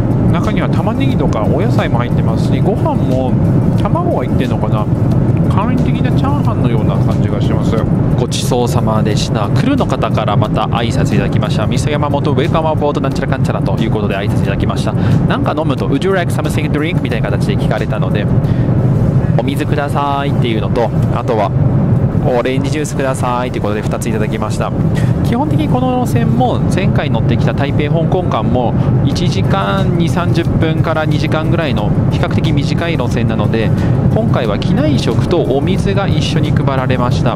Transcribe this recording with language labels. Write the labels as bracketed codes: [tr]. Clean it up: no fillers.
[ja] 中には玉ねぎとかお野菜も入ってますし、ご飯も卵が入ってるのかな、簡易的なチャーハンのような感じがします。ごちそうさまでした。クルーの方からまた挨拶いただきました。ミスヤマモトウェルカマボードなんちゃらかんちゃらということで挨拶いただきました。なんか飲むと [en] Would you like something drink? [ja] みたいな形で聞かれたので、お水くださいっていうのと、あとはオレンジジュースくださいということで2ついただきました。基本的にこの路線も前回乗ってきた台北香港間も1時間2、30分から2時間ぐらいの比較的短い路線なので、今回は機内食とお水が一緒に配られました。